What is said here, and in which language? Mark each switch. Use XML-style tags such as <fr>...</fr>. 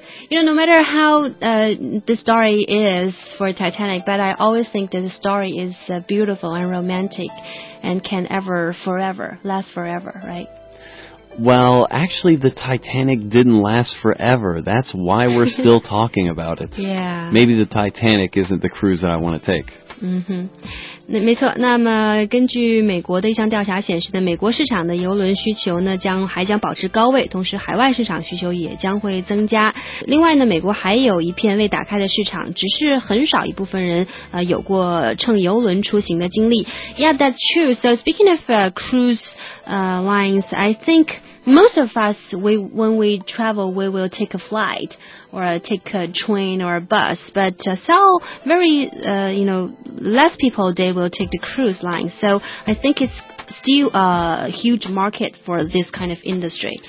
<en>You know, no matter how、the story is for Titanic, but I always think that the story is、beautiful and romantic and can ever, forever, last forever, right? Well, actually, the Titanic didn't last forever. That's why we're still talking about it. Yeah. Maybe the Titanic isn't the cruise that I want to take.</en> <zh>嗯哼，那没错。那么根据美国的一项调查显示呢，美国市场的邮轮需求呢还将保持高位，同时海外市场需求也将会增加。另外呢，美国还有一片未打开的市场，只是很少一部分人有过乘邮轮出行的经历。</zh> <en>Yeah, that's true. So speaking of cruise lines, I think most of us, when we travel, we will take a flight. Or take a train or a bus, but so very, you know, less people, they will take the cruise line. So I think it's still a huge market for this kind of industry.</en>